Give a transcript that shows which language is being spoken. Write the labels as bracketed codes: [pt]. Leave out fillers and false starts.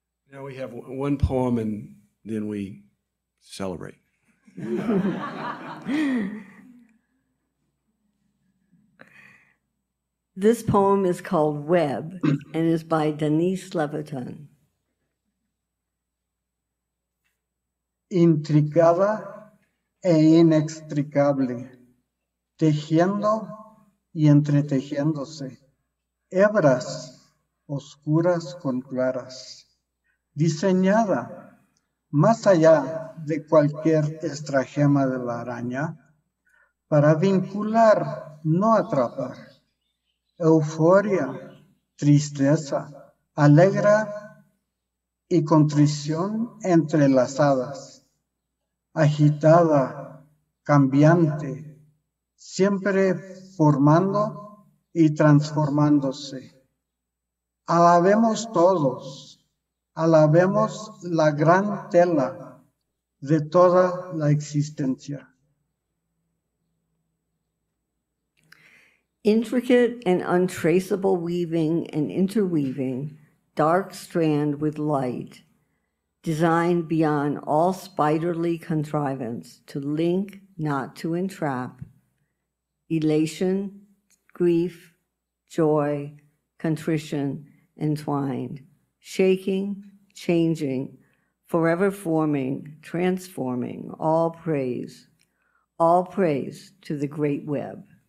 [en] Now we have one poem and then we celebrate. This poem is called Web and is by Denise Levitan. [es] Intrigada e inextricable, tejiendo y entretejiéndose, hebras oscuras con claras, diseñada más allá de cualquier estratagema de la araña, para vincular, no atrapar, euforia, tristeza, alegra y contrición entrelazadas, agitada, cambiante, siempre formando y transformándose. Alabemos todos, alabemos la gran tela de toda la existencia. [en] Intricate and untraceable weaving and interweaving, dark strand with light, designed beyond all spiderly contrivance to link, not to entrap, elation, grief, joy, contrition, entwined, shaking, changing, forever forming, transforming, all praise to the great web.